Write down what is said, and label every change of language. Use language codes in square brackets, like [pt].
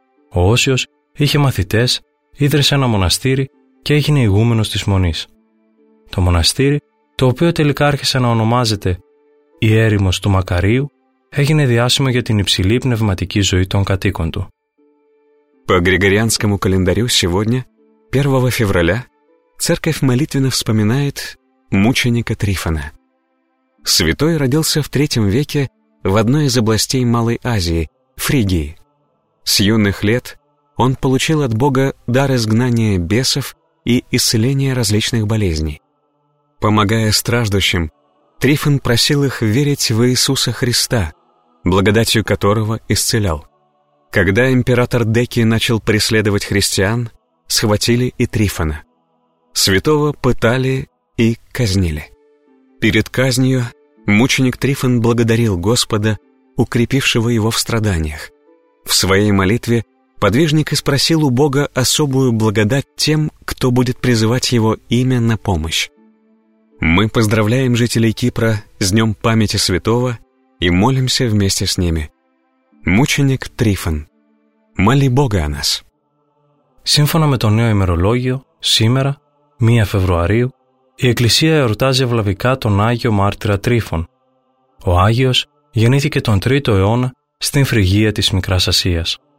[el] Ο Όσιος είχε μαθητές, ίδρυσε ένα μοναστήρι και έγινε ηγούμενος της μονής. Το μοναστήρι, το οποίο τελικά άρχισε να ονομάζεται «Η έρημος του Μακαρίου», έγινε διάσημο για την υψηλή πνευματική ζωή των κατοίκων του. [ru] По Григорианскому календарю сегодня, 1 февраля, церковь молитвенно вспоминает мученика Трифона. Святой родился в III веке в одной из областей Малой Азии, Фригии. С юных лет он получил от Бога дар изгнания бесов и исцеления различных болезней. Помогая страждущим, Трифон просил их верить в Иисуса Христа, благодатью которого исцелял. Когда император Деки начал преследовать христиан, схватили и Трифона. Святого пытали и казнили. Перед казнью мученик Трифон благодарил Господа, укрепившего его в страданиях. В своей молитве подвижник испросил у Бога особую благодать тем, кто будет призывать его имя на помощь. Мы поздравляем жителей Кипра с Днем памяти святого и молимся вместе с ними. Мученик Трифон. Μαλή Μπόγκανας. [el] Σύμφωνα με το νέο ημερολόγιο, σήμερα, 1 Φεβρουαρίου, η Εκκλησία εορτάζει ευλαβικά τον Άγιο Μάρτυρα Τρίφων. Ο Άγιος γεννήθηκε τον 3ο αιώνα στην Φρυγία της Μικράς Ασίας.